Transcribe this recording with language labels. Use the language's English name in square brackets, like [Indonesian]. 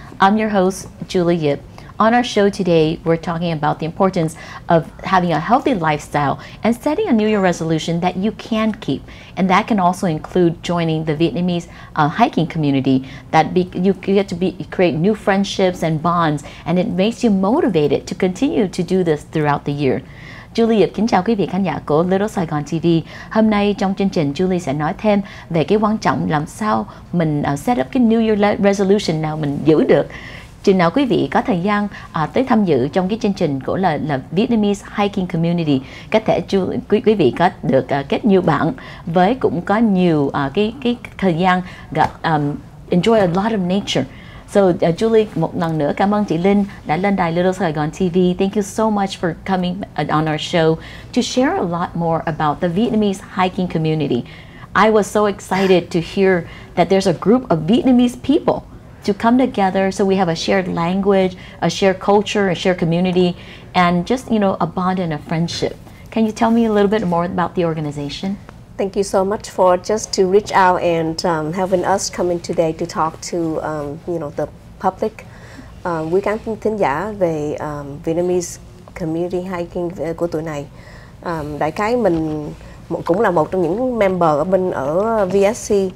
[English] I'm your host, Julie Yip. On our show today, we're talking about the importance of having a healthy lifestyle and setting a New Year resolution that you can keep. And that can also include joining the Vietnamese hiking community, that you get to create new friendships and bonds, and it makes you motivated to continue to do this throughout the year. [Vietnamese] Julie Yip kính chào quý vị khán giả của Little Saigon TV. Hôm nay trong chương trình, Julie sẽ nói thêm về cái quan trọng làm sao mình set up cái [English] New Year resolution [Vietnamese] nào mình giữ được. Chừng nào quý vị có thời gian tới tham dự trong cái chương trình của là Vietnamese Hiking Community, có thể quý vị có được kết nhiều bạn với cũng có nhiều cái thời gian [English] enjoy a lot of nature. So [Vietnamese] Julie, một lần nữa cảm ơn chị Linh đã lên đài Little Saigon TV. [English] Thank you so much for coming on our show to share a lot more about the Vietnamese hiking community. I was so excited to hear that there's a group of Vietnamese people to come together, so we have a shared language, a shared culture, a shared community, and just, you know, a bond and a friendship. Can you tell me a little bit more about the organization? Thank you so much for just to reach out and having us coming today to talk to the public. We can think [Vietnamese] thính giả về Vietnamese community hiking của tụi này. Đại khái mình cũng là một trong những member ở bên ở VSC.